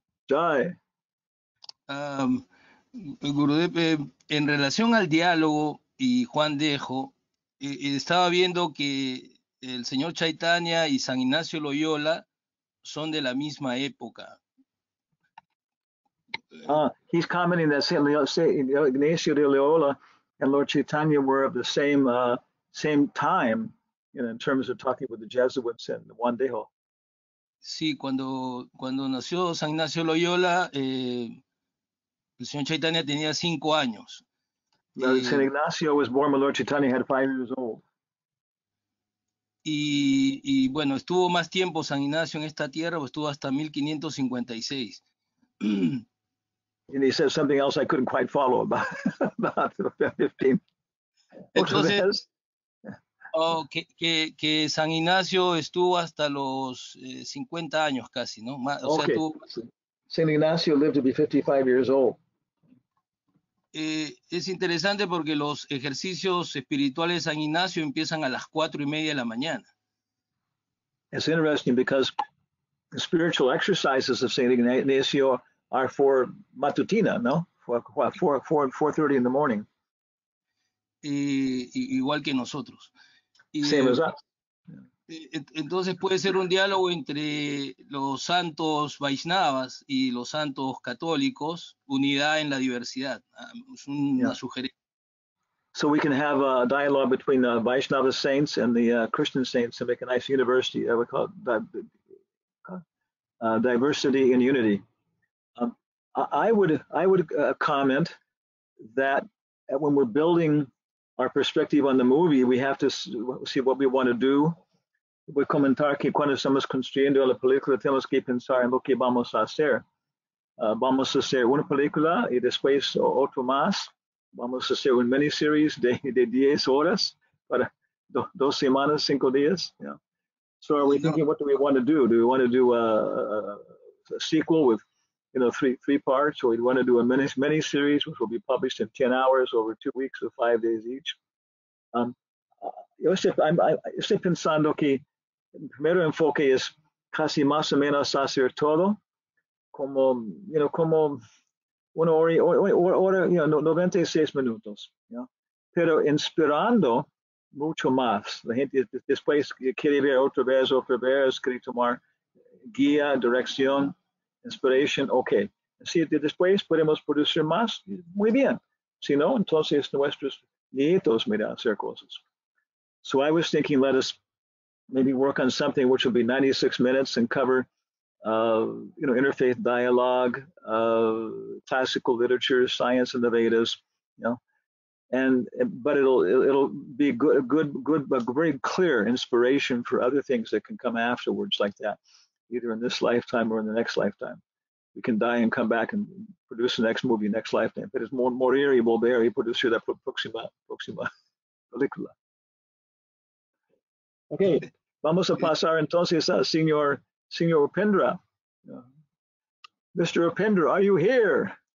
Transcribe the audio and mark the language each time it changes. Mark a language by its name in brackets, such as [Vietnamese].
[Spanish] Jai. Gurudev, en relación al diálogo y Juan Dejo, estaba viendo que el señor Chaitanya y San Ignacio Loyola son de la misma época. [English] He's commenting that Saint Ignacio de Loyola and Lord Chaitanya were of the same time, you know, in terms of talking with the Jesuits and Juan Dejo. [Spanish] Sí, cuando nació San Ignacio Loyola, el señor Chaitanya tenía 5 años. [English] Saint Ignacio was born when Lord Chaitanya had 5 years old. [Spanish] Y bueno, estuvo más tiempo San Ignacio en esta tierra, estuvo hasta 1556. [English] And he says something else I couldn't quite follow about 15. [Spanish] Entonces, que San Ignacio estuvo hasta los 50 años casi, ¿no? [English] San Ignacio lived to be 55 years old. [Spanish] Es interesante porque los ejercicios espirituales de San Ignacio empiezan a las 4:30 de la mañana. [English] It's interesting because the spiritual exercises of St. Ignacio are for matutina, no? For 4:30 in the morning. [Spanish] Igual que nosotros. [English] Same as us. [Spanish] Entonces puede ser un diálogo entre los santos Vaishnavas y los santos católicos, unidad en la diversidad. Es una sugerencia. [English] So we can have a dialogue between the Vaishnava saints and the Christian saints to make a nice university. We call it diversity and unity. I would comment that when we're building our perspective on the movie, we have to see what we want to do. [Spanish] Voy a comentar que cuando estamos construyendo la película, tenemos que pensar en lo que vamos a hacer. Vamos a hacer una película y después otro más. Vamos a hacer una miniseries de 10 horas para 2 semanas, 5 días. [English] Yeah. So are we thinking, what do we want to do? Do we want to do a sequel with, you know, three parts, or we'd want to do a mini series, which will be published in 10 hours over 2 weeks or 5 days each. [Spanish] Yo estoy pensando que el primer enfoque es casi más o menos hacer todo, como, you know, como una hora, you know, 96 minutos, you know? Pero inspirando mucho más. La gente después quiere ver otra vez, quiere tomar guía, dirección. [English] Inspiration, okay. [Spanish] Si después podemos producir más, muy bien. Si no, entonces nuestros nietos mirarán hacer cosas. [English] So I was thinking, let us maybe work on something which will be 96 minutes and cover, you know, interfaith dialogue, classical literature, science, and the Vedas. You know, but it'll be good, but very clear inspiration for other things that can come afterwards like that. Either in this lifetime or in the next lifetime. We can die and come back and produce the next movie, next lifetime. [Spanish] Pero es morir y volver y producir la próxima película. Okay, Vamos a pasar entonces a señor Upendra. Mr. [English] Upendra, are you here?